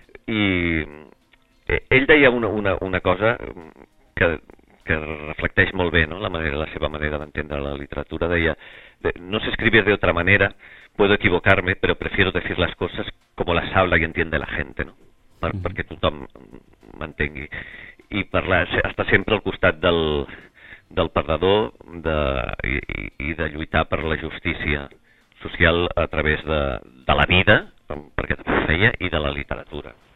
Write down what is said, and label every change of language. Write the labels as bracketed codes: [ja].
[ca] I ell deia una cosa que reflecteix molt bé, no? La seva manera d'entendre la literatura. Deia: [es] no sé escribir de otra manera, puedo equivocarme, pero prefiero decir las cosas como las habla y entiende la gente, no? [ca] Perquè tothom m'entengui. I estar sempre al costat del perdedor de lluitar per la justícia social a través de la vida, perquè també ho feia, i de la literatura.